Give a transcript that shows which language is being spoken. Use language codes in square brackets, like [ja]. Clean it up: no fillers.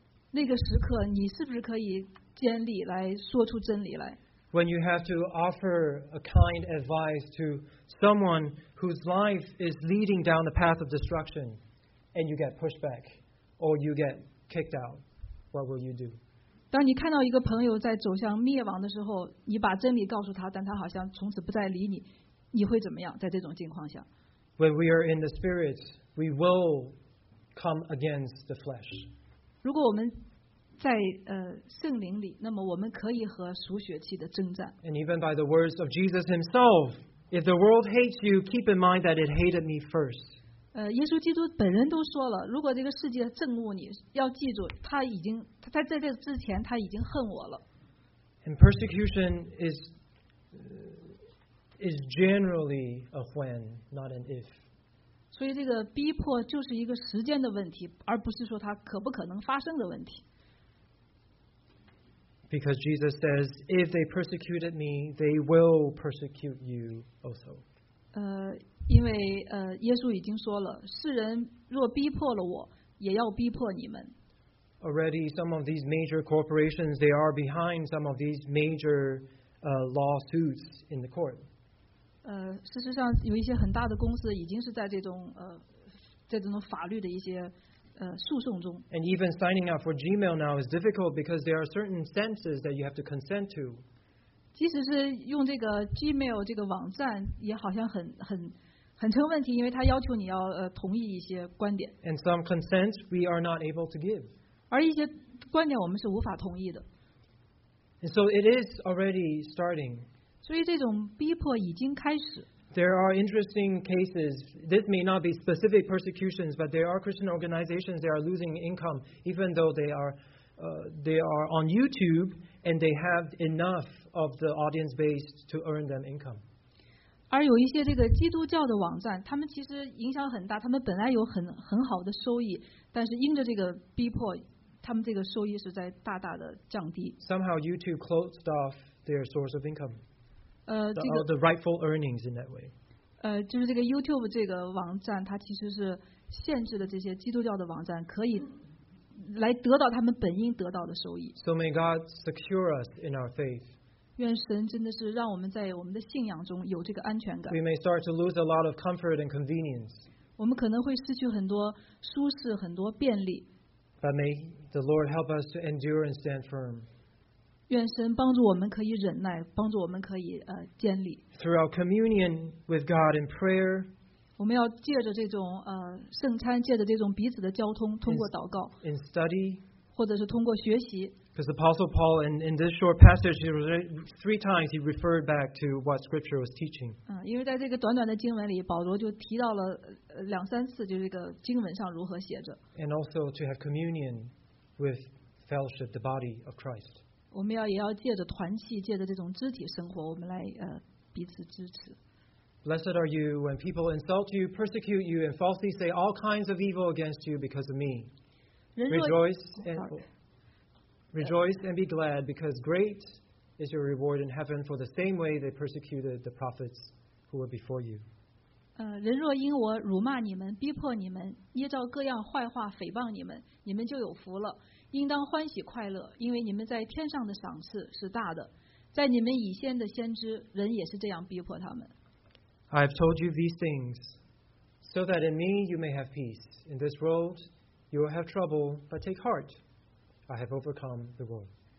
[zh] 那个时刻，你是不是可以坚立来说出真理来？ [en] when you have to offer a kind advice to someone whose life is leading down the path of destruction, and you get pushback, or you get kicked out, what will you do? [zh] 当你看到一个朋友在走向灭亡的时候，你把真理告诉他，但他好像从此不再理你，你会怎么样？在这种境况下 [en] ？When we are in the spirit, we will come against the flesh. [zh] 如果我们在圣灵里，那么我们可以和属血气的征战。 [en] And even by the words of Jesus Himself, if the world hates you, keep in mind that it hated me first. [zh] 耶稣基督本人都说了，如果这个世界憎恶你，要记住他已经他在这之前他已经恨我了。 [en] And persecution is generally a when, not an if. [zh] 所以这个逼迫就是一个时间的问题，而不是说它可不可能发生的问题。 [en] Because Jesus says, if they persecuted me, they will persecute you also. [zh] 因为耶稣已经说了，世人若逼迫了我，也要逼迫你们。 [en] Already, some of these major corporations, they are behind some of these major lawsuits in the court. [zh] 事实上，有一些很大的公司已经是在这种在这种法律的一些诉讼中。 [en] And even signing up for Gmail now is difficult because there are certain senses that you have to consent to. [zh] 即使是用这个 Gmail 这个网站，也好像很成问题，因为它要求你要同意一些观点。 [en] And some consents we are not able to give. [zh] 而一些观点我们是无法同意的。 [en] And so it is already starting. [zh] 所以这种逼迫已经开始。 [en] There are interesting cases. This may not be specific persecutions, but there are Christian organizations that are losing income, even though they are on YouTube and they have enough of the audience base to earn them income. [zh] 而有一些这个基督教的网站，他们其实影响很大，他们本来有很好的收益，但是因着这个逼迫，他们这个收益是在大大的降低。 [en] Somehow YouTube closed off their source of income. The rightful earnings in that way. [zh] 就是这个 YouTube 这个网站，它其实是限制了这些基督教的网站可以来得到他们本应得到的收益。 [en] So may God secure us in our faith. [zh] 愿神真的是让我们在我们的信仰中有这个安全感。 [en] We may start to lose a lot of comfort and convenience. [zh] 我们可能会失去很多舒适，很多便利。 [en] But may the Lord help us to endure and stand firm. [zh] 愿神帮助我们可以忍耐，帮助我们可以坚立。 [en] Through our communion with God in prayer. [zh] 我们要借着这种圣餐，借着这种彼此的交通，通过祷告。 [en] In study. [zh] 或者是通过学习。 [en] Because Apostle Paul, in this short passage, three times he referred back to what Scripture was teaching. [zh] 因为在这个短短的经文里，保罗就提到了两三次，就是这个经文上如何写着。 [en] And also to have communion with fellowship, the body of Christ. [zh] 我们也要借着团契，借着这种肢体生活，我们来彼此支持。 [en] Blessed are you when people insult you, persecute you, and falsely say all kinds of evil against you because of me. Rejoice and be glad, because great is your reward in heaven, for the same way they persecuted the prophets who were before you. [zh] 人若因我辱骂你们，逼迫你们，捏造各样坏话诽谤你们，你们就有福了，应当欢喜快乐，因为你们在天上的赏赐是大的，在你们以先的先知人也是这样逼迫他们。 [en] I have told you these things so that in me you may have peace. In this world you will have trouble, but take heart, I have overcome the world.